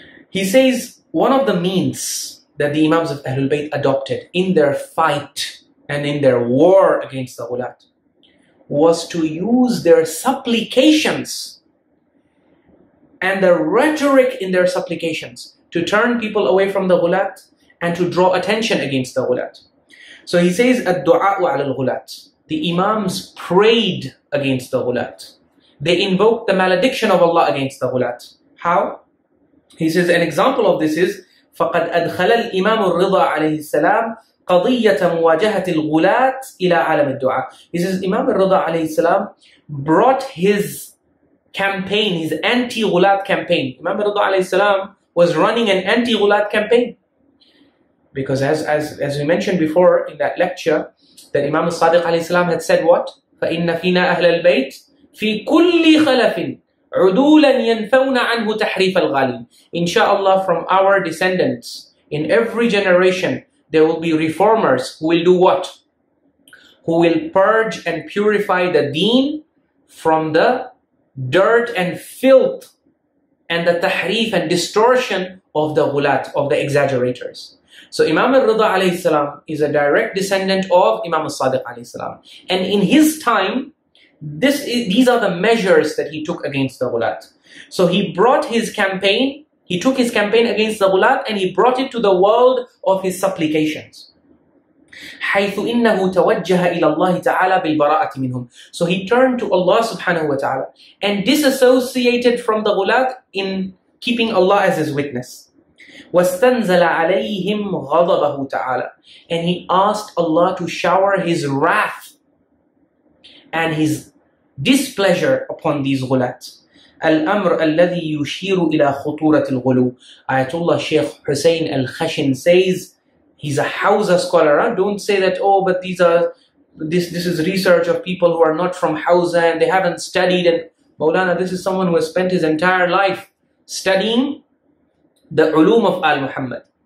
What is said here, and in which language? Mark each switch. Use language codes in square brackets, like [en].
[en] He says, one of the means that the Imams of Ahlul Bayt adopted in their fight and in their war against the ghulat was to use their supplications and the rhetoric in their supplications to turn people away from the ghulat and to draw attention against the ghulat. So he says, الدعاء على الغلات. The Imams prayed against the ghulat. They invoked the malediction of Allah against the ghulat. How? [ar] He says, an example of this is, فَقَدْ أَدْخَلَ الْإِمَامُ الرِّضَى عَلَيْهِ السَّلَامُ قَضِيَّةَ مُوَاجَهَةِ الْغُلَاتِ إِلَىٰ عَلَمِ الدُّعَى. [en] He says, Imam al-Ridha alayhi salam brought his campaign, his anti-ghulat campaign. Imam al-Ridha alayhi salam was running an anti-ghulat campaign. Because as we mentioned before in that lecture, that Imam al-Sadiq alayhi salam had said what? [ar] فإن فينا أهل البيت في كل خلف عدولا ينفون عنه تحريف الغالب. [en] Inshallah, from our descendants, in every generation, there will be reformers who will do what? Who will purge and purify the deen from the dirt and filth and the tahrif and distortion of the ghulat, of the exaggerators. So Imam al-Rida alayhi salam is a direct descendant of Imam al-Sadiq alayhi salam. And in his time, these are the measures that he took against the ghulat. So he brought his campaign, he took his campaign against the ghulat and he brought it to the world of his supplications. [ar] حيث إنه توجه إلى الله تعالى بالبراءة منهم. [en] So he turned to Allah subhanahu wa ta'ala and disassociated from the ghulat in keeping Allah as his witness. [ar] واستنزل عليهم غضبه تعالى. [en] And he asked Allah to shower his wrath and his displeasure upon these ghulat. [ar] الأمر الذي يشير إلى خطورة الغلو. [en] Ayatullah Sheikh Hussein Al-Khashin says, he's a Hausa scholar, huh? Don't say that, oh, but this is research of people who are not from Hausa and they haven't studied. And Mawlana, this is someone who has spent his entire life studying the ulum of Al-Muhammad.